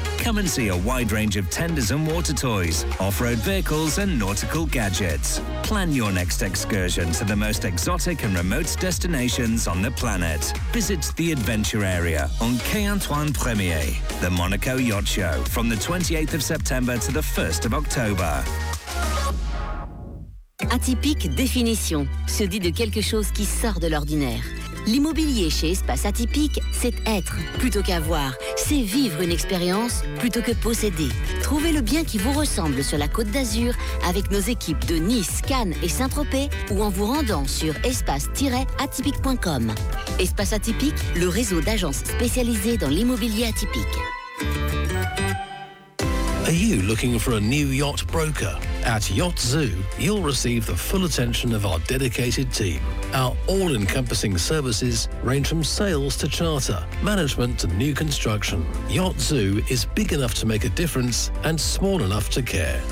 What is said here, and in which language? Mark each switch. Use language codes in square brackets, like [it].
[en] Come and see a wide range of tenders and water toys, off-road vehicles and nautical gadgets. Plan your next excursion to the most exotic and remote destinations on the planet. Visit the Adventure Area on Quai Antoine Premier, the Monaco Yacht Show, from the 28th of September to the 1st of October. [fr] Atypique définition, se dit de quelque chose qui sort de l'ordinaire. L'immobilier chez Espace Atypique, c'est être plutôt qu'avoir. C'est vivre une expérience plutôt que posséder. Trouvez le bien qui vous ressemble sur la Côte d'Azur avec nos équipes de Nice, Cannes et Saint-Tropez ou en vous rendant sur espace-atypique.com. Espace Atypique, le réseau d'agences spécialisées dans l'immobilier atypique. [en] Are you looking for a new yacht broker? At Yacht Zoo, you'll receive the full attention of our dedicated team. Our all-encompassing services range from sales to charter, management to new construction. Yacht Zoo is big enough to make a difference and small enough to care.